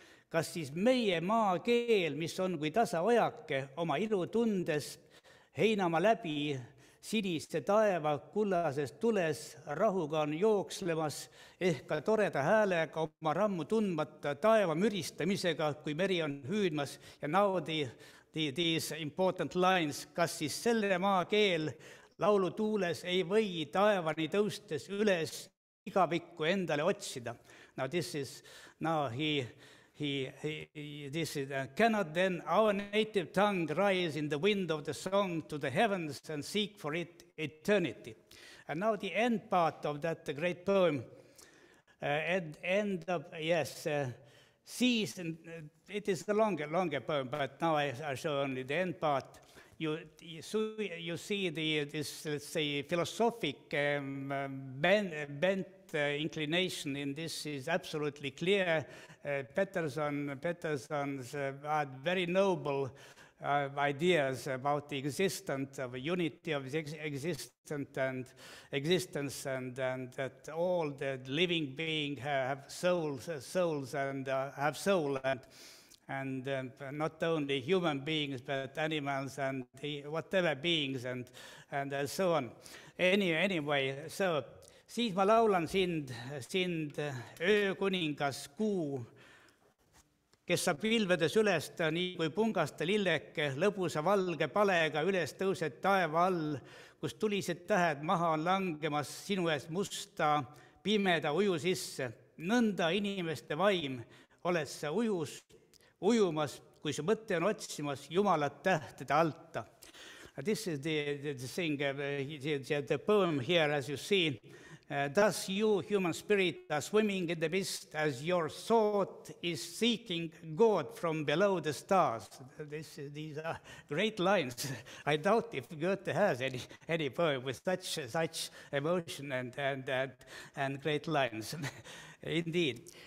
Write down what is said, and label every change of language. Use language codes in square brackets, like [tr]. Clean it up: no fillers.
[et] Kas siis meie maa keel, mis on kui tasa ojake, oma ilu tundes heinama läbi sinise taeva kullases tules rahuga on jookslemas ehk ka toreda häälega oma rammu tundmata taeva müristamisega, kui meri on hüüdmas ja naudi [en] these important lines, [et] kas siis selle maa keel laulu tuules ei või taevani tõustes üles igavikku endale otsida. [en] Now this is, now cannot then our native tongue rise in the wind of the song to the heavens and seek for it eternity. And now the end part of that great poem, it is a longer poem, but now I show only the end part. you see this, let's say, philosophic bent inclination in this is absolutely clear. Peterson's very noble ideas about the existence of a unity of existence and existence, and that all the living being have souls and have soul, and not only human beings but animals and the whatever beings and so on. [et] Anyway, so siis ma laulan sind öökuningas kuu, kes saab pilvedes ülest nii kui pungaste lilleke, lõbusa valge palega üles tõused taeva all, kus tulised tähed maha on langemas sinu ees musta pimeda uju sisse. Nõnda inimeste vaim oled sa ujumas, kui su mõte on otsimas Jumalat tähtede alta. [en] This is the thing, the poem here, as you see. Thus you, human spirit, are swimming in the mist as your thought is seeking God from below the stars. These are great lines. I doubt if Goethe has any poem with such emotion and great lines. Indeed.